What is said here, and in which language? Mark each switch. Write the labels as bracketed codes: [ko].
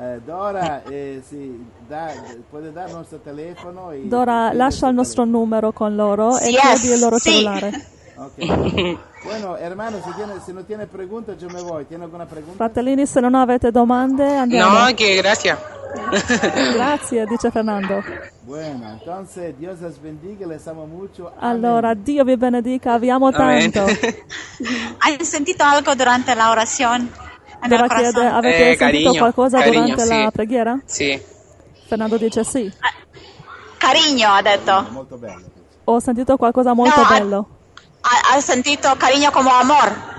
[it] Dora, sì, puoi dare il nostro telefono. Dora, lascia il nostro numero con loro e chiedi il loro cellulare. [es] Ok. Bueno, hermano, [it] se non [es] tiene pregunta, io me voy. ¿Tiene alguna pregunta? [it] Fratellini, se non avete domande, andiamo. No, che grazie. Grazie, dice Fernando. [es] Bueno, entonces, Dios les bendiga, les amo mucho. [it] Allora, Dio vi benedica, vi amo tanto. Hai sentito [es] algo [it] durante la orazione? Dora chiede, avete sentito [es] cariño, [it] qualcosa [es] cariño, [it] durante sì. la preghiera? Sì. Fernando dice sì. Cariño, ha detto. Molto bello. Ho sentito qualcosa molto bello. Ha sentito cariño come amor.